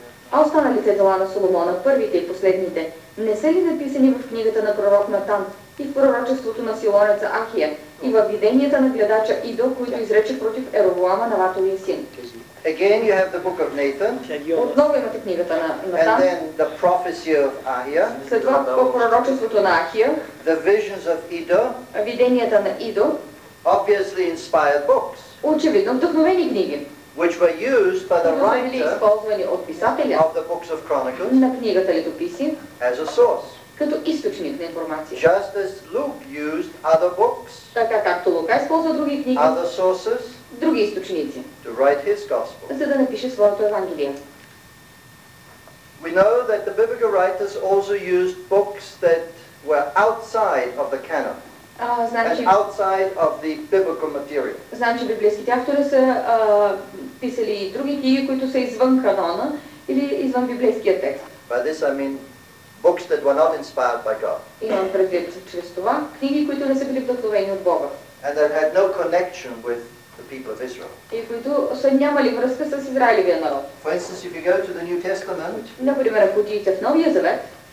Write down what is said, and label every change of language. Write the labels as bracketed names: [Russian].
[Bulgarian] А останалите дела на Соломона, първите и последните, не са ли написани в книгата на пророк Натан и в пророчеството на Силонеца Ахия и във виденията на гледача Идо, които изрече против Еровоама на Ватовия син? [English] Again you have the book of Nathan. [Bulgarian] Отново имате книгата на Натан. [English] And then the prophecy of Ahia. [Bulgarian] След това по пророчеството на Ахия. [English] The visions of Ido. [Bulgarian] Виденията на Идо. [English] Obviously inspired books. [Bulgarian] Очевидно вдъхновени книги. [English] Which were used by the writer of the books of Chronicles [Bulgarian] на книгата летописи [English] as a source. [Bulgarian] Като източник на информация. [English] Just as Luke used other books. [Bulgarian] Така както Лука използва други книги. [English] Other sources. [Bulgarian] Други източници. [English] To write his gospel. [Bulgarian] За да напише своето евангелие. [English] We know that the biblical writers also used books that were outside of the canon. [Bulgarian] Значи, [English] outside of the biblical material. [Bulgarian] Значи библейските автори са писали и други книги, които са извън канона или извън библейския текст. [English] By this I mean books that were not inspired by God. [Bulgarian] Имам предвид чрез това книги, които не са били вдъхновени от Бога. [English] And that had no connection with the people of Israel. [Bulgarian] И които са нямали връзка с израелевия народ. [English] For instance, if you go to the New Testament, [Bulgarian] например, ако отидете в Новия Завет,